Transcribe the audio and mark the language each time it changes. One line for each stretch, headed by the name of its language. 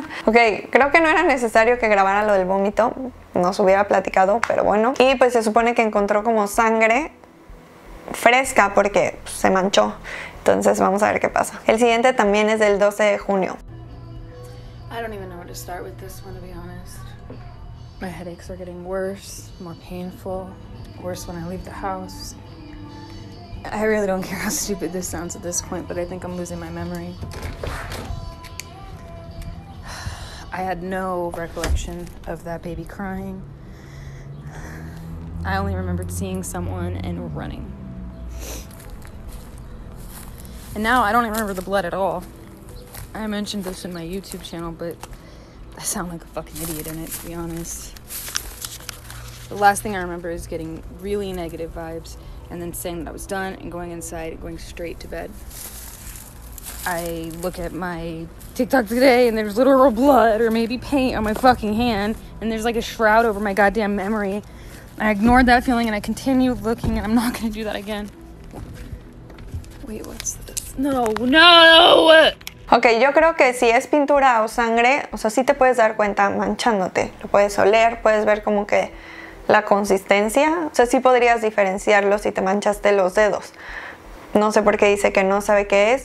Spanish: Ok, creo que no era necesario que grabara lo del vómito. No se hubiera platicado, pero bueno. Y pues se supone que encontró como sangre fresca porque se manchó. Entonces vamos a ver qué pasa. El siguiente también es del 12 de junio.
English: I don't even know where to start with this one, to be honest. My headaches are getting worse, more painful, worse when I leave the house. I really don't care how stupid this sounds at this point, but I think I'm losing my memory. I had no recollection of that baby crying. I only remembered seeing someone and running. And now I don't even remember the blood at all. I mentioned this in my YouTube channel, but I sound like a fucking idiot in it, to be honest. The last thing I remember is getting really negative vibes and then saying that I was done and going inside and going straight to bed. I look at my TikTok today and there's literal blood or maybe paint on my fucking hand, and there's like a shroud over my goddamn memory. I ignored that feeling and I continued looking, and I'm not gonna do that again. Wait, what's this? No, no!
Spanish: Ok, yo creo que si es pintura o sangre, o sea, sí te puedes dar cuenta manchándote. Lo puedes oler, puedes ver como que la consistencia. O sea, sí podrías diferenciarlo si te manchaste los dedos. No sé por qué dice que no sabe qué es.